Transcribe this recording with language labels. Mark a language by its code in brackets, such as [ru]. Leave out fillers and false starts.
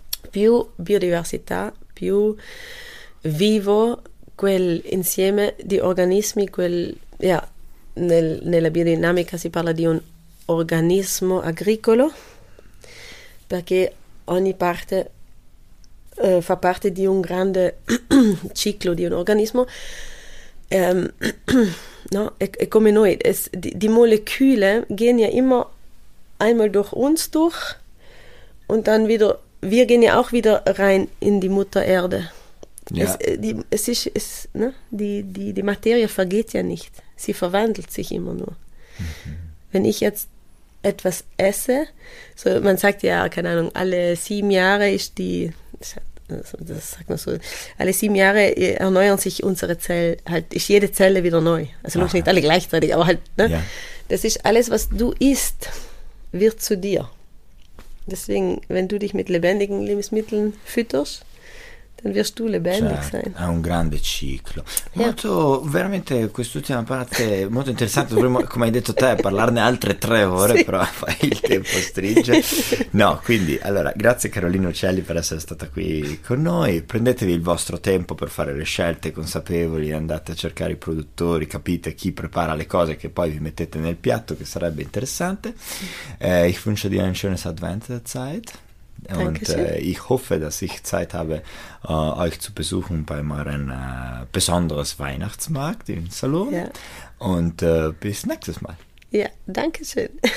[it] Più biodiversità, più vivo quel insieme di organismi, nella biodinamica si parla di un organismo agricolo, perché ogni parte fa parte di un grande ciclo di un organismo, no? È come noi, [de] die Moleküle gehen ja immer einmal durch uns durch und dann wieder, wir gehen ja auch wieder rein in die Mutter Erde. Ja. Die Materie vergeht ja nicht, sie verwandelt sich immer nur. Mhm. Wenn ich jetzt etwas esse, so man sagt ja, keine Ahnung, alle 7 Jahre ist die, das sagt man so, alle 7 Jahre erneuern sich unsere Zellen, halt ist jede Zelle wieder neu. Also aha, nicht alle gleichzeitig, aber halt, ne? Ja. Das ist alles, was du isst, wird zu dir. Deswegen, wenn du dich mit lebendigen Lebensmitteln fütterst, dann wirst du lebendig, [it] certo, [de] sein. [it] È un grande ciclo. Yeah. Molto, veramente, quest'ultima parte è molto interessante. Dovremmo, come hai detto te, parlarne altre 3 ore, sì, però il tempo stringe. No, quindi, allora, grazie Carolina Uccelli per essere stata qui con noi. Prendetevi il vostro tempo per fare le scelte consapevoli, andate a cercare i produttori, capite chi prepara le cose che poi vi mettete nel piatto, che sarebbe interessante. [de] Ich wünsche dir eine schöne Adventszeit. Und ich hoffe, dass ich Zeit habe, euch zu besuchen bei meinem besonderen Weihnachtsmarkt im Salon. Ja. Und bis nächstes Mal. Ja, danke schön.